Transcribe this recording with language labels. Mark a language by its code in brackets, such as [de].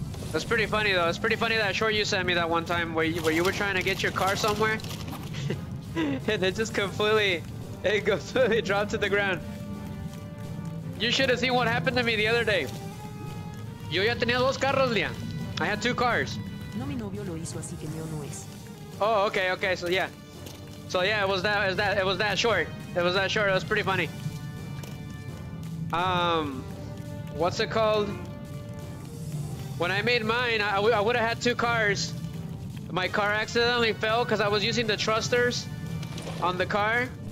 [en] That's pretty funny though. It's pretty funny that short you sent me that one time where you were trying to get your car somewhere. And it just completely, it completely dropped to the ground. You should have seen what happened to me the other day. [es] Yo ya tenía dos carros, Lia. [en] I had two cars. [es] No, mi novio lo hizo, así que mío no es. [en] Oh, okay, okay, so yeah. So yeah, it was that short. It was that short, it was pretty funny. What's it called? When I made mine, I would have had two cars. My car accidentally fell because I was using the thrusters on the car.